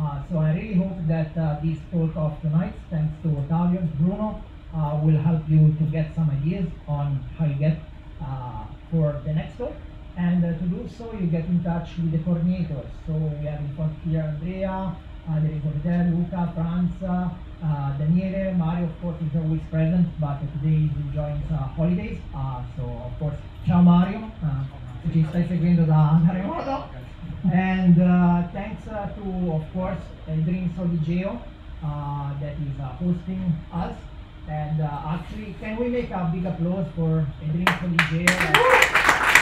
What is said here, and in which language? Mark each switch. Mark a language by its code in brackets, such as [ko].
[en] So I really hope that this talk of tonight, thanks to Otavio and Bruno, will help you to get some ideas on how you get for the next talk. And to do so, you get in touch with the coordinators. So we have in front here Andrea, there is over there Luca, Franz, Daniele, Mario, of course, is always present, but today he joins holidays. So of course, [it] ciao Mario, ci stai seguendo da remoto. [en] And thanks to, of course, Dream Soligeo that is hosting us. And actually, can we make a big applause for Dream Soligeo?